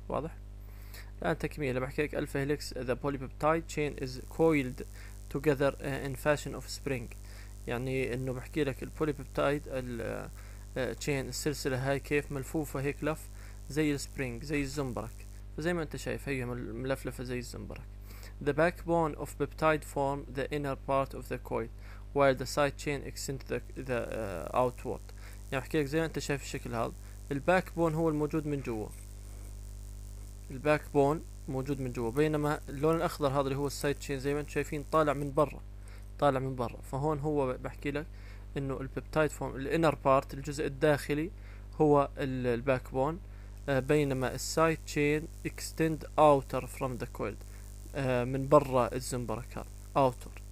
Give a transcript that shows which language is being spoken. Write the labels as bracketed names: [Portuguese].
[Arabic] واضح؟ الان تكمله بحكي لك الفا هيليكس [English] the polypeptide chain is coiled together in fashion of spring, [Arabic] يعني انه بحكي لك البولي بيبتايد التشين السلسله هاي كيف ملفوفه هيك لف زي السبرينج زي الزنبرك، زي ما انت شايف هي ملفلفه زي الزنبرك. [English] The backbone of peptide form the inner part of the coil while the side chain extend the outward. [Arabic] يعني بحكي لك زي ما انت شايف الشكل هذا، الباكبون هو الموجود من جوا، الباكبون موجود من جوا، بينما اللون الاخضر هذا اللي هو السايد تشين زي ما انت شايفين طالع من برا، طالع من برا. فهون هو بحكي لك انه البيبتايد فورم الانر بارت الجزء الداخلي هو الباكبون، بينما السايد تشين [English] extend outer from the coil, [Arabic] من برا الزنبرك اوتر.